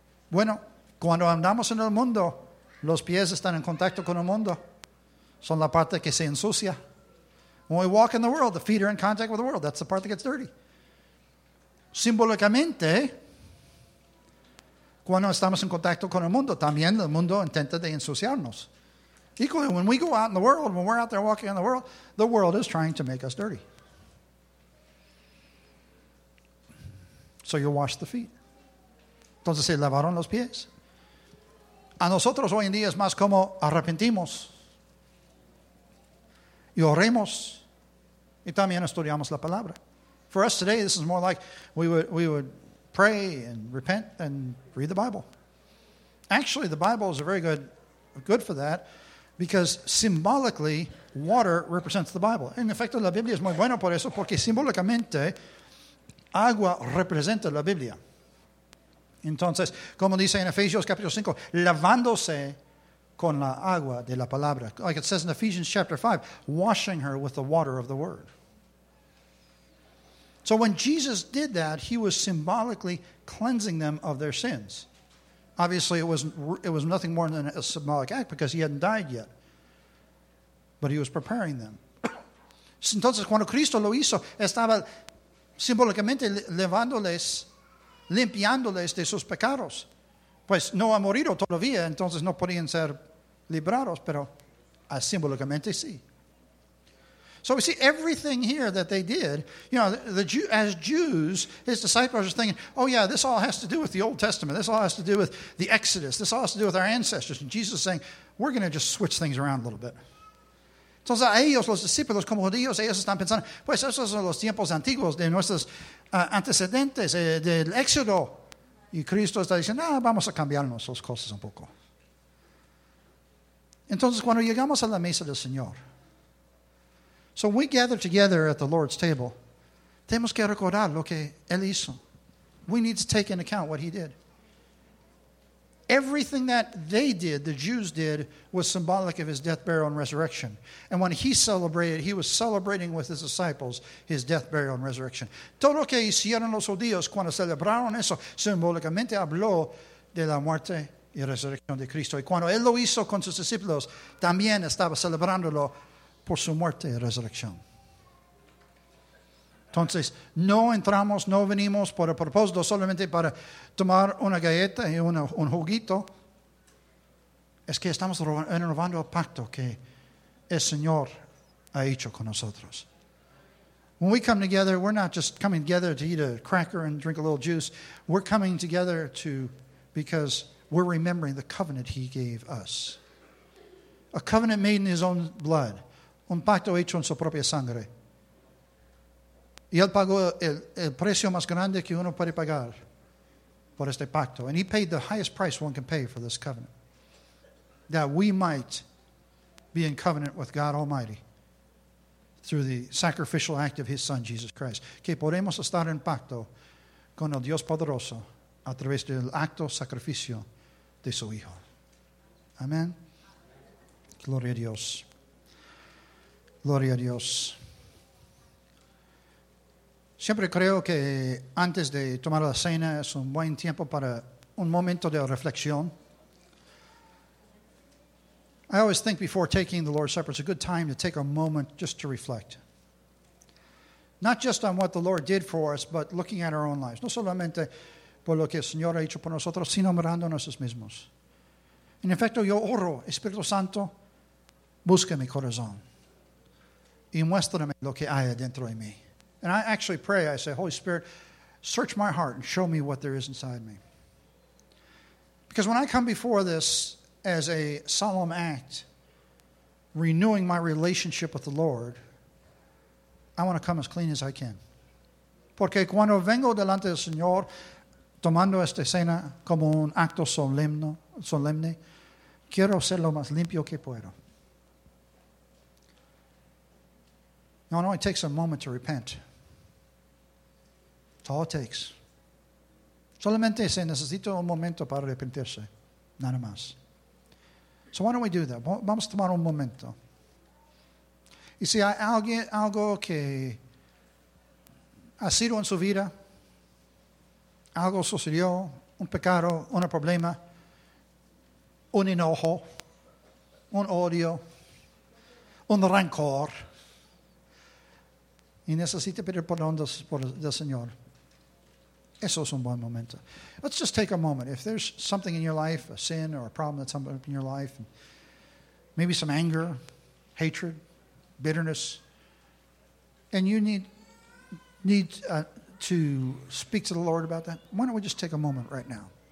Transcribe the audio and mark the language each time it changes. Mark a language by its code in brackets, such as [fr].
[es] Bueno, cuando andamos en el mundo, los pies están en contacto con el mundo. Son la parte que se ensucia. [en] When we walk in the world, the feet are in contact with the world. That's the part that gets dirty. [es] Simbólicamente, cuando estamos en contacto con el mundo, también el mundo intenta de ensuciarnos. [en] Equally, when we go out in the world, when we're out there walking in the world is trying to make us dirty. So you wash the feet. [es] Entonces se lavaron los pies. A nosotros hoy en día es más como arrepentimos y oremos y también estudiamos la palabra. [en] For us today, this is more like we would pray and repent and read the Bible. Actually, the Bible is very good for that because symbolically, water represents the Bible. [es] En efecto, la Biblia es muy buena por eso porque simbólicamente, agua representa la Biblia. Entonces, como dice en Efesios capítulo 5, lavándose con la agua de la palabra. [en] Like it says in Ephesians chapter 5, washing her with the water of the word. So when Jesus did that, he was symbolically cleansing them of their sins. Obviously, it was nothing more than a symbolic act because he hadn't died yet. But he was preparing them. [es] Entonces, cuando Cristo lo hizo, estaba simbólicamente levándoles, limpiándoles de sus pecados. Pues no ha morido todavía, entonces no podían ser librados, pero simbólicamente sí. [en] So we see everything here that they did, you know, as Jews, his disciples are thinking, oh yeah, this all has to do with the Old Testament. This all has to do with the Exodus. This all has to do with our ancestors. And Jesus is saying, we're going to just switch things around a little bit. [es] Entonces a ellos, los discípulos como judíos, ellos están pensando, pues esos son los tiempos antiguos de nuestros antecedentes, del Éxodo. Y Cristo está diciendo, ah, vamos a cambiarnos las cosas un poco. Entonces cuando llegamos a la mesa del Señor, [en] so we gather together at the Lord's table. [es] Tenemos que recordar lo que Él hizo. [en] We need to take into account what He did. Everything that they did, the Jews did, was symbolic of His death, burial, and resurrection. And when He celebrated, He was celebrating with His disciples His death, burial, and resurrection. [es] Todo lo que hicieron los judíos cuando celebraron eso, simbólicamente habló de la muerte y resurrección de Cristo. Y cuando Él lo hizo con sus discípulos, también estaba celebrándolo por su muerte y resurrección. Entonces, no entramos, no venimos por el propósito solamente para tomar una galleta y un juguito. Es que estamos renovando el pacto que el Señor ha hecho con nosotros. [en] When we come together, we're not just coming together to eat a cracker and drink a little juice. We're coming together because we're remembering the covenant He gave us. A covenant made in His own blood. [es] Un pacto hecho en su propia sangre. Y Él pagó el precio más grande que uno puede pagar por este pacto. [en] And He paid the highest price one can pay for this covenant. That we might be in covenant with God Almighty through the sacrificial act of His Son, Jesus Christ. [es] Que podemos estar en pacto con el Dios Poderoso a través del acto sacrificio de su Hijo. Amén. Gloria a Dios. Gloria a Dios. Siempre creo que antes de tomar la cena es un buen tiempo para un momento de reflexión. [en] I always think before taking the Lord's Supper, it's a good time to take a moment just to reflect. Not just on what the Lord did for us, but looking at our own lives. [es] No solamente por lo que el Señor ha hecho por nosotros, sino mirando a nosotros mismos. En efecto, yo oro, Espíritu Santo, busca mi corazón. Y muéstrame lo que hay dentro de mí. [en] And I actually pray, I say, Holy Spirit, search my heart and show me what there is inside me. Because when I come before this as a solemn act, renewing my relationship with the Lord, I want to come as clean as I can. [es] Porque cuando vengo delante del Señor, tomando esta cena como un acto solemne, quiero ser lo más limpio que puedo. [en] No, it only takes a moment to repent. That's all it takes. [es] Solamente se necesita un momento para arrepentirse. Nada más. [en] So why don't we do that? [es] Vamos a tomar un momento. Y si hay algo que ha sido en su vida, algo sucedió, un pecado, un problema, un enojo, un odio, un rancor, y necesita pedir perdón del Señor. Eso es un buen momento. [en] Let's just take a moment. If there's something in your life, a sin or a problem that's up in your life, maybe some anger, hatred, bitterness, and you need to speak to the Lord about that, why don't we just take a moment right now?